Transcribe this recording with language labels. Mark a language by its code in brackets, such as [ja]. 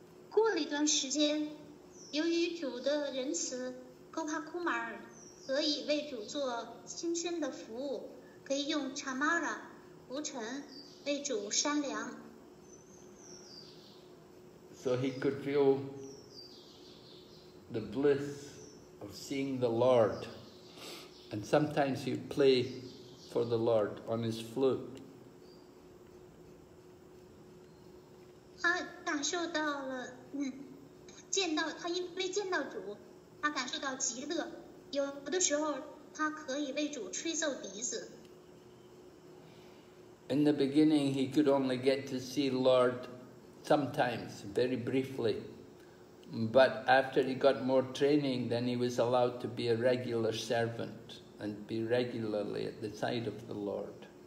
[en] So he could feel the bliss of seeing the Lord. And sometimes he'd play for the Lord on his flute. [zh] 他感受到了，见到他因为见到主，他感受到极乐。有的时候，他可以为主吹奏笛子。 [en] In the beginning, he could only get to see Lord sometimes, very briefly. But after he got more training, then he was allowed to be a regular servant and be regularly at the side of the Lord.